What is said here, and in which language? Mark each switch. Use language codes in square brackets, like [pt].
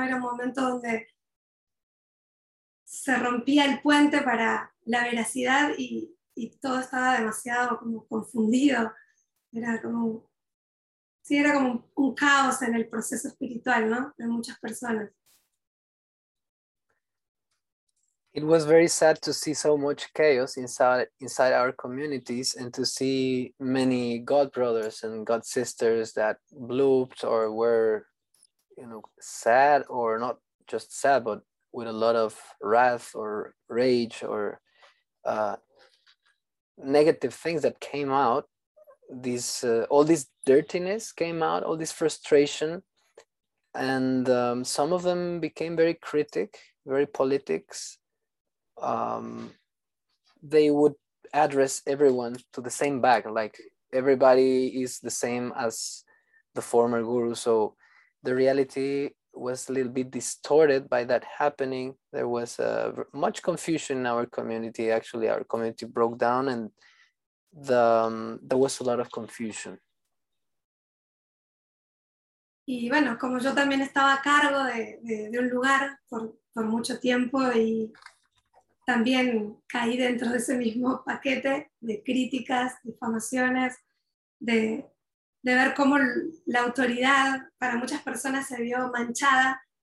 [es] Era un momento donde se rompía el puente para la veracidad y todo estaba demasiado como confundido. Era como, sí, era como un caos en el proceso espiritual, ¿no? De muchas personas. [en] It was very sad to see so much chaos inside our communities and to see many God brothers and God sisters that blooped or were, you know, sad, or not just sad, but with a lot of wrath or rage or negative things that came out. All this dirtiness came out, all this frustration, and some of them became very critic, very politics. They would address everyone to the same bag, like everybody is the same as the former guru. So the reality was a little bit distorted by that happening. There was much confusion in our community. Actually, our community broke down, and there was a lot of confusion. [es] Y bueno, como yo también estaba a cargo de un lugar por mucho tiempo y también caí dentro de ese mismo paquete de críticas, difamaciones, de ver cómo la autoridad para muchas personas se vio manchada.